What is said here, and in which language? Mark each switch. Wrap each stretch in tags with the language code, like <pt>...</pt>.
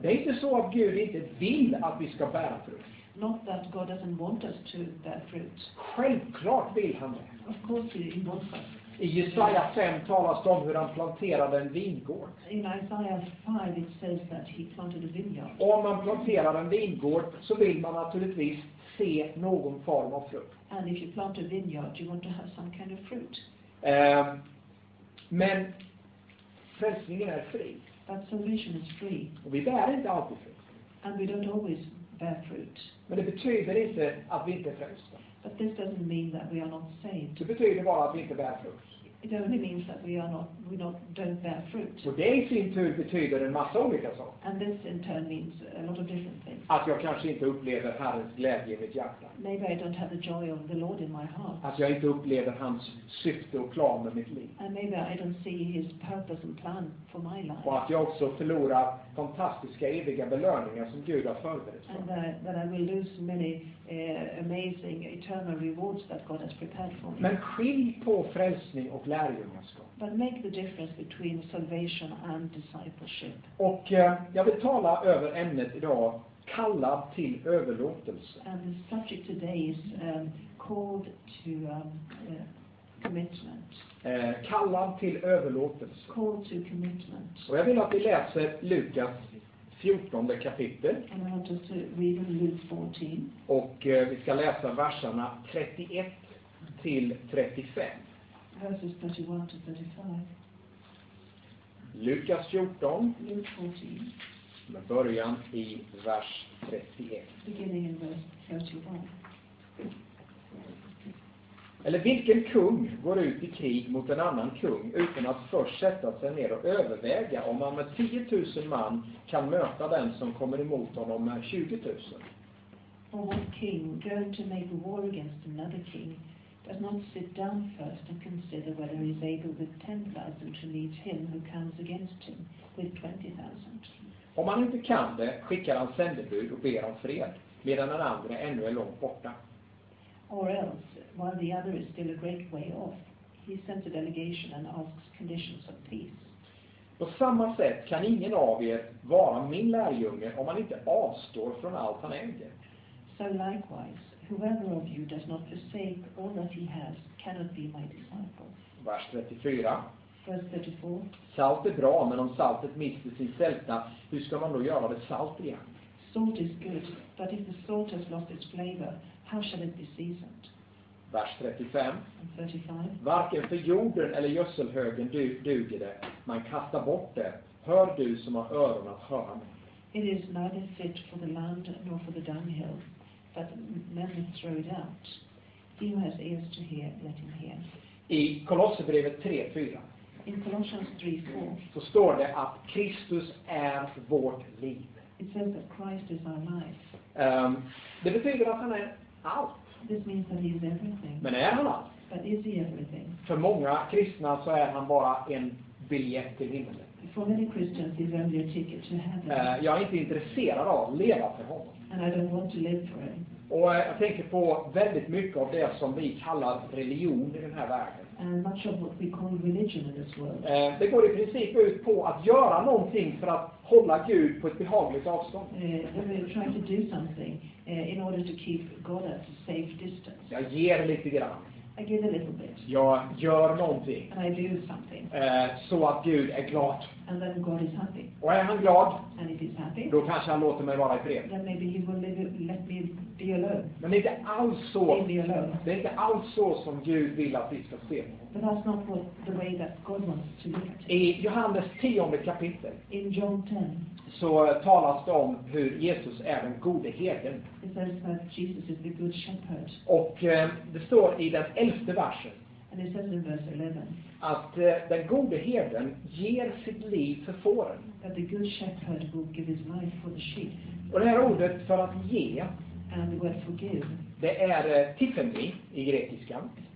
<sv>Det är inte så att Gud inte vill att vi ska bära frukt.</sv> <en>Not that God doesn't want us to bear fruit.</en> <sv>Självklart vill han det.</sv> <en>Of course he wants us.</en> <sv>I Jesaja 5 talas om hur han planterade en vingård.</sv> <en>In Isaiah 5 it says that he planted a vineyard.</en> <sv>Och om man planterar en vingård så vill man naturligtvis se någon form av frukt.</sv> <en>And if you plant a vineyard you want to have some kind of fruit.</en> <sv>Men frälsningen är fri.</sv> <en>But salvation is free.</en> <sv>Och vi bär inte alltid frukt.</sv> <en>And we don't always bear fruit.</en> <sv>Men det betyder inte att vi inte är frälsta.</sv> <en>But this doesn't mean that we are not saved.</en> <sv>Det betyder bara att vi inte bär frukt.</sv> <en>It only means that we don't bear fruit.</en> <sv>Och det i sin tur betyder en massa olika saker.</sv> <en>And this in turn means a lot of different things.</en> <sv>Att jag kanske inte upplever Herrens glädje i mitt hjärta.</sv> <en>Maybe I don't have the joy of the Lord in my heart.</en> <sv>Att jag inte upplever hans syfte och plan med mitt liv.</sv> <en>And maybe I don't see his purpose and plan for my life.</en> <sv>Och att jag också förlorar fantastiska eviga belöningar som Gud har förberett för.</sv> <en>And that I will lose many amazing eternal rewards that God has prepared for me.</en> <sv>Men skilj på frälsning och lärjungaskap.</sv> <en>But make the difference between salvation and discipleship.</en> <sv>Och jag vill tala över ämnet idag, kallad till överlåtelse.</sv> <en>And the subject today is called to commitment.</en> <sv>Kallad till överlåtelse.</sv> <en>Called to commitment.</en> <sv>Och jag vill att vi läser Lukas 14 kapitel.</sv> <en>And I want us to read in Luke 14.</en> <sv>Och vi ska läsa verserna 31 till 35.</sv> <en>Verses 31 to 35.</en> <sv>Lukas 14.</sv> <en>Luke 14.</en> <sv>Med början i vers 31.</sv> <en>Beginning in verse 31.</en> <sv>Eller vilken kung går ut i krig mot en annan kung utan att först sätta sig ner och överväga om han med 10 000 man kan möta den som kommer emot honom med 20 000?</sv> <en>Or what king going to make war against another king does not sit down first and consider whether he is able with 10,000 to meet him who comes against him with 20,000?</en> <sv>Om han inte kan det skickar han sändebud och ber om fred medan den andra ännu är långt borta.</sv> <en>Or else, while the other is still a great way off, he sends a delegation and asks conditions of peace.</en> <sv>På samma sätt kan ingen av er vara min lärjunge om man inte avstår från allt han äger.</sv> <en>So likewise, whoever of you does not forsake all that he has cannot be my disciple.</en> <sv>Vers 34.</sv> <en>Verse 34.</en> <sv>Salt är bra, men om saltet mister sin sälta, hur ska man då göra det salt igen?</sv> <en>Salt is good, but if the salt has lost its flavor, how shall it be seasoned?</en> <sv>Vers 35.</sv> <en>35.</en> <sv>Varken för jorden eller gödselhögen duger det. Man kastar bort det. Hör du som har öron att höra med.</sv> <en>It is neither fit for the land nor for the dunghill, but men throw it out. He who has ears to hear, let him hear.</en> <sv>I Kolosserbrevet 3:4.</sv> <en>In Colossians 3:4.</en> <sv>Så står det att Kristus är vårt liv.</sv> <en>It says that Christ is our life.</en> <sv>Det betyder att han är allt.</sv> <en>This means that he is everything.</en> <sv>Men är han allt?</sv> <en>But is he everything?</en> <sv>För många kristna så är han bara en biljett till himlen.</sv> <en>For many Christians, he's only a ticket to heaven.</en> <sv>Jag är inte intresserad av att leva för honom.</sv> <en>And I don't want to live for him.</en> <sv>Och jag tänker på väldigt mycket av det som vi kallar religion i den här världen.</sv> <en>And much of what we call religion in this world.</en> <sv>Det går i princip ut på att göra någonting för att hålla Gud på ett behagligt avstånd.</sv> <en>We try to do something in order to keep God at a safe distance.</en> <sv>Jag ger lite grann.</sv> <en>I give a little bit.</en> <sv>Jag gör någonting.</sv> <en>And I do something.</en> <sv>Så att Gud är glad.</sv> <en>And then God is happy.</en> <sv>Och är han glad?</sv> <en>And if he's happy.</en> <sv>Då kanske han låter mig vara i fred.</sv> <en>Then maybe he will let me be alone.</en> <sv>Men det är inte alls så.</sv> <en>Be alone.</en> <sv>Det är inte alls så som Gud vill att vi ska se.</sv> <en>But that's not what the way that God wants to be.</en> <sv>I Johannes 10 kapitel.</sv> <en>In John 10.</en> <sv>Så talas det om hur Jesus är den gode herden.</sv> <en>It says that Jesus is the good shepherd.</en> <sv>Och det står i den 11 versen.</sv> <en>And it says in verse 11.</en> <sv>Att den gode herden ger sitt liv för fåren.</sv> <en>That the good shepherd will give his life for the sheep.</en> <sv>Och det här ordet för att ge.</sv> <en>And the word for give.</en> <sv>Det är tiffemi i grekiskan.</sv>